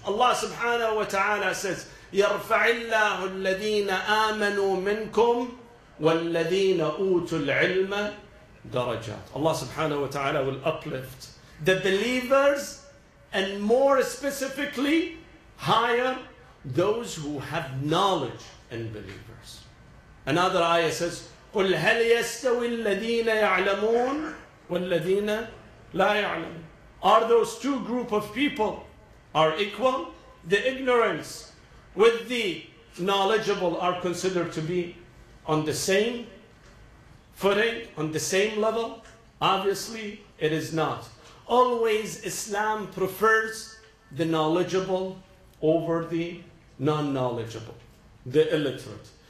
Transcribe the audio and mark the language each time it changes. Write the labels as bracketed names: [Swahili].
[English] Allah subhanahu wa ta'ala says, [Arabic] يَرْفَعِ اللَّهُ الَّذِينَ آمَنُوا مِنْكُمْ وَالَّذِينَ أُوتُوا الْعِلْمَ دَرَجَاتٍ. [English] Allah subhanahu wa ta'ala will uplift the believers and more specifically, higher those who have knowledge and believers. Another ayah says, [Arabic] قُلْ هَلْ يَسْتَوِي الَّذِينَ يَعْلَمُونَ وَالَّذِينَ لَا يَعْلَمُونَ. [English] Are those two group of people are equal? The ignorance with the knowledgeable are considered to be on the same footing, on the same level? Obviously, it is not. Always Islam prefers the knowledgeable over the non-knowledgeable, the illiterate.